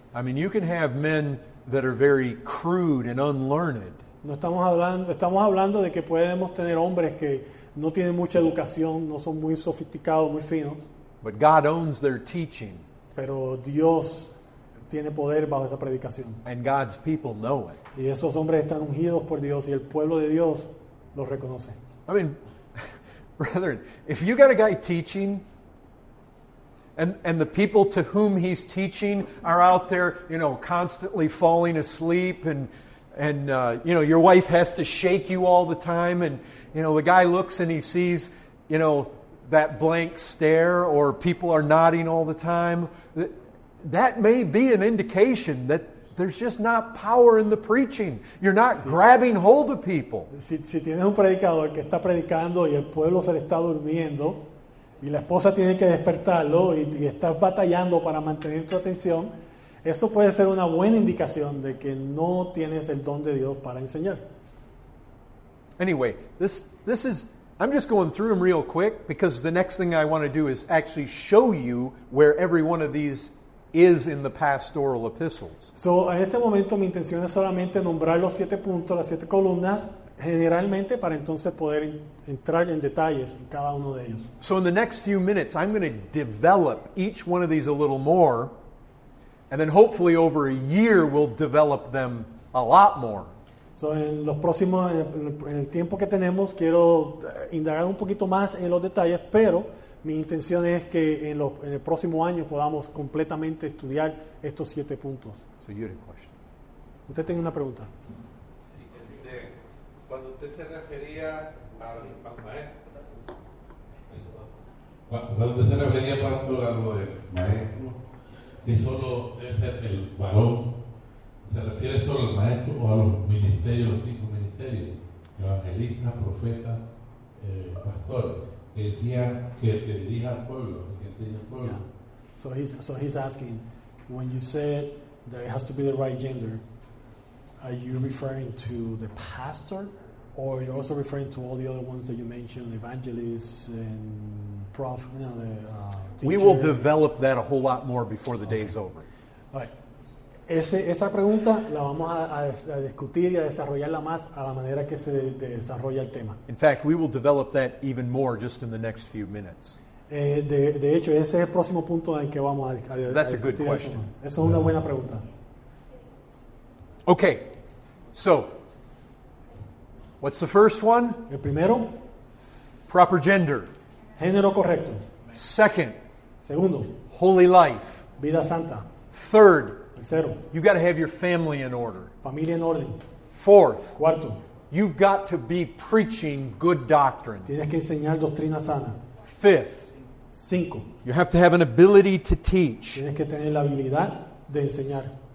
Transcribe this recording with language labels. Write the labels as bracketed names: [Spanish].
[English] I mean, you can have men that are very crude and unlearned. [Spanish] No estamos hablando, de que podemos tener hombres que no tienen mucha educación, no son muy sofisticados, muy finos. [English] But God owns their teaching. [Spanish] Pero Dios tiene poder bajo esa predicación. [English] And God's people know it. [Spanish] Y esos hombres están ungidos por Dios y el pueblo de Dios los reconoce. [English] I mean, brethren, if you got a guy teaching and the people to whom he's teaching are out there, you know, constantly falling asleep and your wife has to shake you all the time and, you know, the guy looks and he sees, you know, that blank stare or people are nodding all the time, that may be an indication that there's just not power in the preaching. You're not grabbing hold of people. [Spanish] Si tienes un predicador que está predicando y el pueblo se le está durmiendo y la esposa tiene que despertarlo y estás batallando para mantener tu atención, eso puede ser una buena indicación de que no tienes el don de Dios para enseñar. [English] Anyway, this is, I'm just going through them real quick because the next thing I want to do is actually show you where every one of these is in the pastoral epistles. [Spanish] So, en este momento mi intención es solamente nombrar los siete puntos, las siete columnas, generalmente para entonces poder entrar en detalles en cada uno de ellos. [English] So, in the next few minutes, I'm going to develop each one of these a little more, and then hopefully over a year we'll develop them a lot more. [Spanish] So, en los próximos, en el tiempo que tenemos, quiero indagar un poquito más en los detalles, pero mi intención es que en el próximo año podamos completamente estudiar estos siete puntos. [English] So you had a question. [Spanish] Usted tiene una pregunta. Sí, cuando usted se refería al maestro, cuando usted se refería, pastor, a lo de maestro, que solo debe ser el varón, ¿se refiere solo al maestro o a los ministerios, los cinco ministerios? ministerio, evangelista, profeta, pastor, que decía que te dirija al pueblo, que enseña al pueblo. [English] Yeah. So he's asking, when you said that it has to be the right gender, are you referring to the pastor, or are you also referring to all the other ones that you mentioned, evangelists and prof, you know, we will develop that a whole lot more before the okay. day is over. All right. [Spanish] Esa pregunta la vamos a discutir y a desarrollarla más a la manera que se desarrolla el tema. [English] In fact, we will develop that even more just in the next few minutes. [Spanish] De hecho, ese es el próximo punto en el que vamos a discutir. [English] That's a good question. [Spanish] Eso es una buena pregunta. [English] Okay, so, what's the first one? [Spanish] El primero. [English] Proper gender. [Spanish] Género correcto. [English] Second. [Spanish] Segundo. [English] Holy life. [Spanish] Vida santa. [English] Third. [Spanish] Tercero. [English] You've got to have your family in order. [Spanish] Familia en orden. [English] Fourth. [Spanish] Cuarto. [English] You've got to be preaching good doctrine. [Spanish] Tienes que enseñar doctrina sana. [English] Fifth. [Spanish] Cinco. [English] You have to have an ability to teach. [Spanish] Tienes que tener la habilidad de enseñar.